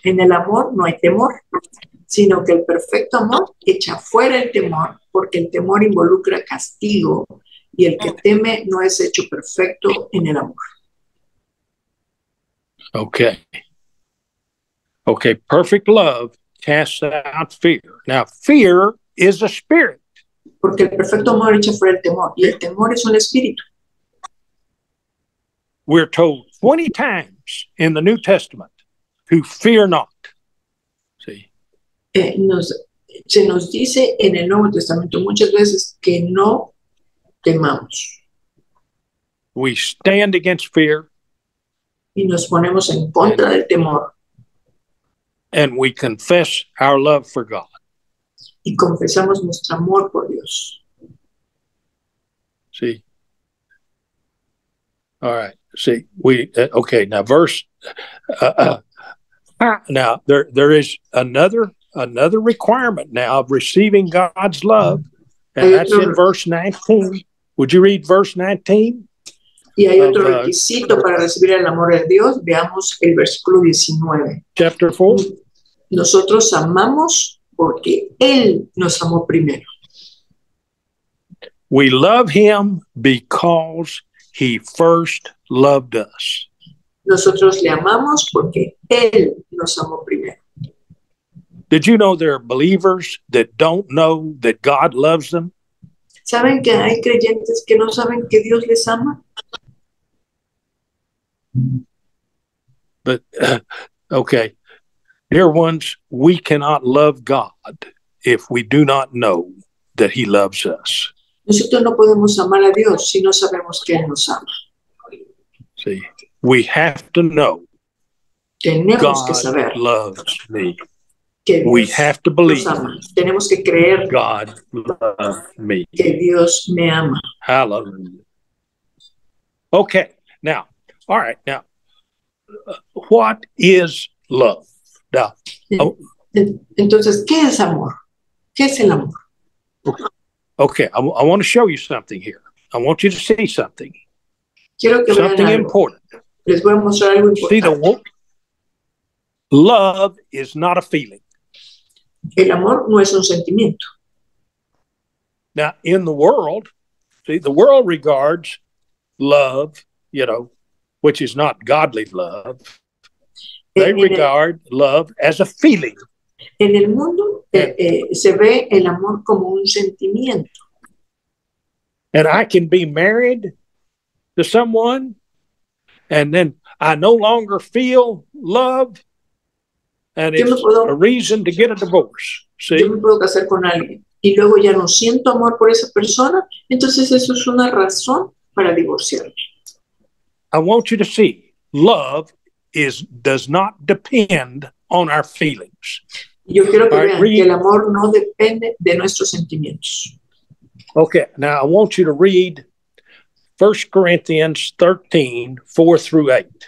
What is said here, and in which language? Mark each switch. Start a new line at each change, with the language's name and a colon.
Spanish: En el amor no hay temor, sino que el perfecto amor echa fuera el temor, porque el temor involucra castigo, y el que teme no es hecho perfecto en el amor.
English: Okay. Okay, perfect love casts out fear. Now, fear is a spirit.
Spanish: Porque el perfecto amor echa fuera el temor, y el temor es un espíritu.
English: We're told 20 times in the New Testament to fear not. See?
Spanish: Se nos dice en el Nuevo Testamento muchas veces que no temamos.
English: We stand against fear.
Spanish: Y nos ponemos en contra del temor.
English: And we confess our love for God.
Spanish: Y confesamos nuestro amor por Dios.
English: See? All right. See, there is another requirement now of receiving God's love, and that's in verse 19. Would you read verse 19?
Spanish: Y hay otro requisito para recibir el amor de Dios. Veamos el versículo 19.
English: Chapter 4.
Spanish: Nosotros amamos porque Él nos amó primero.
English: We love Him because He first loved us.
Spanish: Nosotros le amamos porque Él nos amó primero.
English: Did you know there are believers that don't know that God loves them?
Spanish: ¿Saben que hay creyentes que no saben que Dios les ama?
English: But, okay. Dear ones, we cannot love God if we do not know that He loves us.
Spanish: Nosotros no podemos amar a Dios si no sabemos que Él nos ama.
English: See, we have to know
Spanish: tenemos
English: God
Spanish: que saber
English: loves me.
Spanish: Que Dios
English: we have to believe
Spanish: nos ama. Tenemos que creer
English: God loves me.
Spanish: Que Dios me ama.
English: Hallelujah. Okay, now, all right, now, what is love? Now,
Spanish: entonces, ¿qué es amor? ¿Qué es el amor?
English: Okay, I want to show you something here. I want you to see something.
Spanish: Quiero que
English: something
Spanish: vean algo.
English: Important.
Spanish: Les voy a mostrar algo importante.
English: See the word? Love is not a feeling.
Spanish: El amor no es un sentimiento.
English: Now, in the world, see, the world regards love, you know, which is not godly love. They regard love as a feeling.
Spanish: En el mundo se ve el amor como un sentimiento.
English: And I can be married to someone, and then I no longer feel love, and it's a reason to get a divorce. See?
Spanish: Yo me puedo casar con alguien y luego ya no siento amor por esa persona, entonces eso es una razón para divorciarme.
English: I want you to see, love is does not depend on our feelings.
Spanish: Yo quiero que vean que el amor no depende de nuestros sentimientos.
English: Okay, now I want you to read 1 Corinthians 13, 4 through 8.